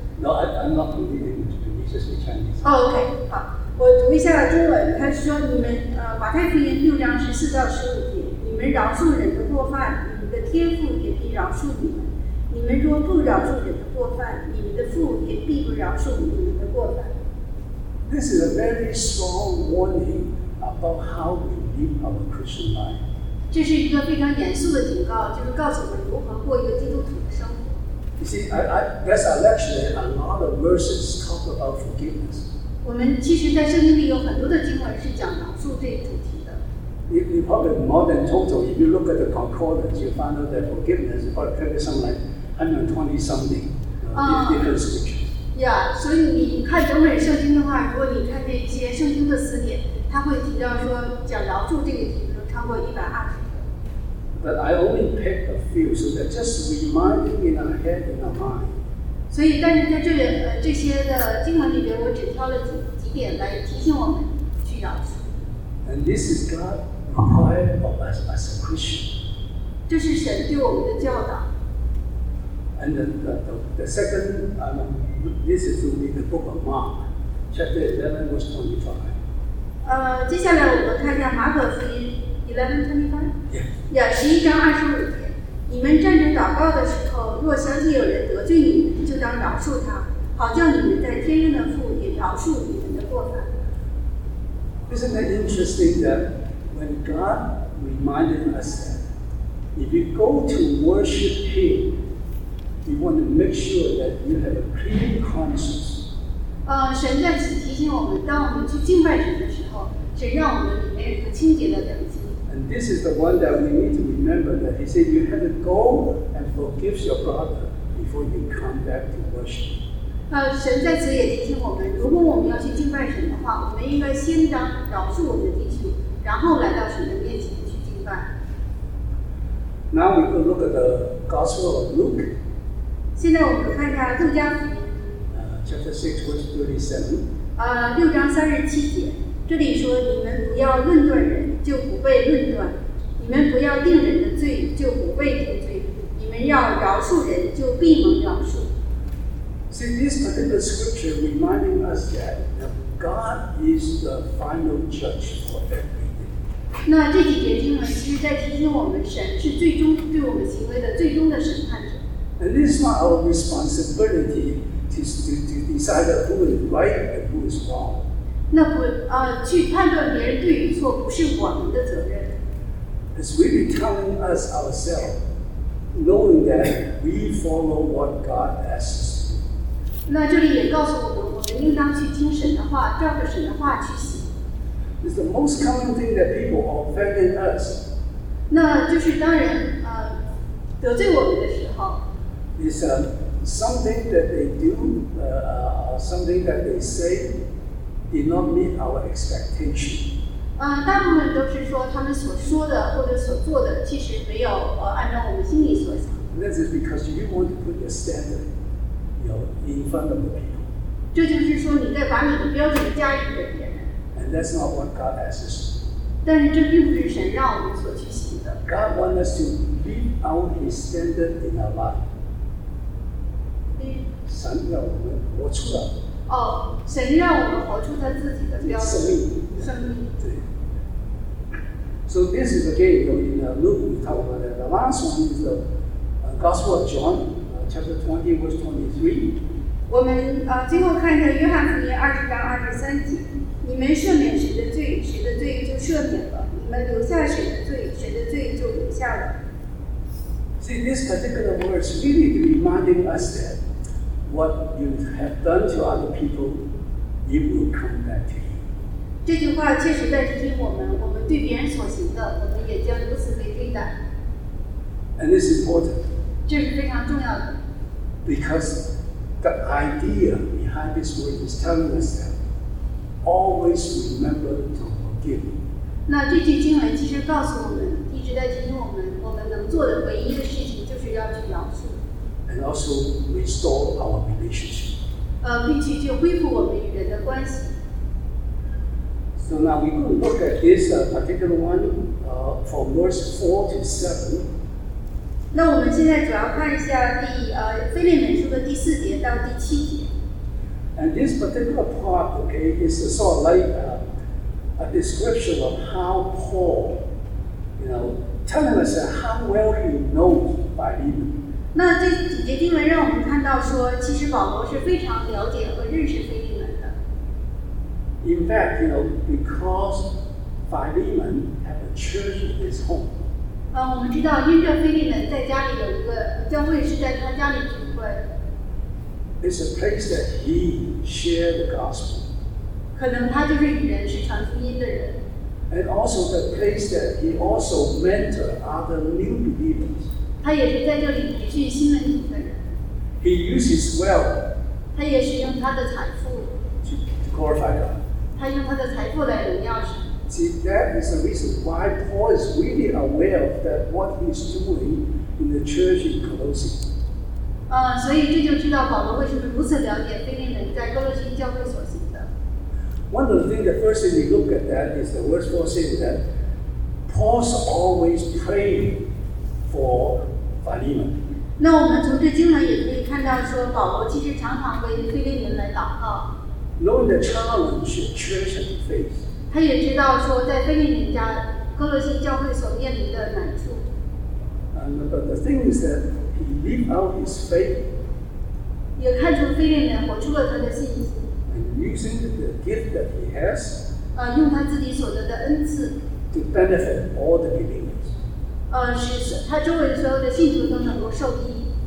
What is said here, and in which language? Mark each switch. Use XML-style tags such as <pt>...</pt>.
<en>No, I'm not reading English, but this is the Chinese. Oh, okay.</en> <zh>我读一下中文，他说你们马太福音六章十四到十五节，你们饶恕人的过犯，你们的天父也必饶恕你们。你们若不饶恕人的过犯，你们的父也必不饶恕你们的过犯。</zh> <en>This is a very strong warning about how we live our Christian life.</en> <zh>这是一个非常严肃的警告，就是告诉我们如何过一个基督徒的生活。</zh> <en>You see, I guess I lecture a lot of verses talk about forgiveness.</en> <zh>我们其实在圣经里有很多的经文是讲饶恕这一主题的。</zh> <en>You probably more than total, if you look at the concordance, you find out that forgiveness is probably something like 120 something different scriptures.</en> <zh>Yeah, 所以你看整本圣经的话，如果你看这些圣经的词典，它会提到说讲饶恕这个题目超过120个。</zh> <en>But I only pick a few, so that just reminding in our head and our mind.</en> <zh>所以，但是在这里，这些的经文里边，我只挑了几点来提醒我们去饶恕。</zh> <en>And this is God required of us as a Christian.</en> <zh>这是神对我们的教导。</zh> <en>And the second, this is only the book of Mark, chapter 11, verse 25.</en> <zh>接下来我们看一下马可福音 11:25.</zh> <en>Yeah.</en> <zh>十一章二十五节。你们站着祷告的时候，若想起有人得罪你们，就当饶恕他，好叫你们在天上的父也饶恕你们的过犯。</zh> <en>Isn't it interesting that when God reminded us that if you go to worship Him, you want to make sure that you have a clean conscience?</en> <zh>神在此提醒我们，当我们去敬拜神的时候，神让我们里面有一个清洁的良心。</zh> <en>And this is the one that we need to remember that he said you have to go and forgive your brother before you come back to worship.</en> <zh>神在此也提醒我们，如果我们要去敬拜神的话，我们应该先当饶恕我们的弟兄，然后来到神的面前去敬拜。</zh> <en>Now we go look at the Gospel of Luke.</en> <zh>现在我们看一下路加福音。</zh> <en>Chapter 6, verse 37.</en> <zh>六章三十七节。这里说你们不要论断人就不被论断，你们不要定人的罪就不被定罪，你们要饶恕人就必蒙饶恕。</zh> <en>See, this particular scripture reminding us that God is the final judge for everything.</en> <zh>那这几节经文其实在提醒我们神是最终对我们行为的最终的审判者。</zh> <en>And it's not our responsibility to decide who is right and who is wrong.</en> <zh>那不去判断别人对与错不是我们的责任。</zh> <en>It's really telling us ourselves, knowing that we follow what God asks.</en> <zh>那这里也告诉我们，我们应当去听神的话，照着神的话去行。</zh> <en>It's the most common thing that people offend in us.</en> <zh>那就是当人得罪我们的时候。</zh> <en>It's something that they do, something that they say. Did not meet our expectation.</en> <zh>大部分都是说他们所说的或者所做的，其实没有按照我们心里所想。</zh> <en>That is because you want to put your standard, in front of the people.</en> <zh>这就是说你在把你的标准加于别人。</zh> <en>And that's not what God asks us.</en> <zh>但是这并不是神让我们所去行的。</zh> <en>God wants us to live out His standard in our life.</en> <zh>神要我们活出来。神让我们活出他自己的标准。生命。</zh> <en>对。So this is again, in Luke, we talk about that. The last one is the Gospel of John, chapter 20, verse 23.</en> <zh>我们最后看一下约翰福音二十章二十三节。你们赦免谁的罪，谁的罪就赦免了；你们留下谁的罪，谁的罪就留下了。</zh> <en>See, this particular verse really reminding us that. What you have done to other people, it will come back to you.</en> <zh>这句话确实在提醒我们，我们对别人所行的，我们也将如此被对待。</zh> <en>And this is important.</en> <zh>这是非常重要的。</zh> <en>Because the idea behind this word is telling us that always remember to forgive.</en> <zh>那这句经文其实告诉我们，一直在提醒我们，我们能做的唯一的事情就是要去饶恕。</zh> <en>And also restore our relationship.</en> <zh>并且就恢复我们与人的关系。</zh> <en>So now we could look at this particular one from verse 4 to 7.</en> <zh>那我们现在主要看一下第腓立门书的第四节到第七节。</zh> <en>And this particular part, okay, is a sort of like a description of how Paul, you know, telling us how well he knows Philemon.</en> <zh>那这几节经文让我们看到说，其实保罗是非常了解和认识腓立门的。</zh> <en>In fact, you know, because Philemon had a church in his home.</en> <zh>我们知道，因着腓立门在家里有一个教会，是在他家里聚会。</zh> <en>It's a place that he shared the gospel.</en> <zh>可能他就是与人是传福音的人。</zh> <en>And also the place that he also mentored other new believers.</en> <zh>他也是在这里培训新门徒的人。</zh> <en>He used his wealth.</en> <zh>他也是用他的财富。</zh> <en>To glorify God.</en> <zh>他用他的财富来荣耀神。</zh> <en>See, that is the reason why Paul is really aware of that what he's doing in the church in Colossae.</en> <zh>所以这就知道保罗为什么如此了解腓立门在哥罗西教会所行的。</zh> <en>One of the things, the first thing we look at that is the verse 4 saying that Paul's always praying for Philemon.</en> <zh>那我们从这经文也可以看到说保罗其实常常为腓立门来祷告。</zh> <en>Knowing the challenge the church has faced.</en> <zh>他也知道说在腓立门家哥罗西教会所面临的难处。</zh> <en>But the thing is that he lived out his faith.</en> <zh>也看出腓立门活出了他的信心。</zh> <en>And using the gift that he has.</en> <zh>用他自己所得的恩赐。</zh> <en>To benefit all the believers.</en> <zh>使他周围所有的信徒都能够受益。</zh>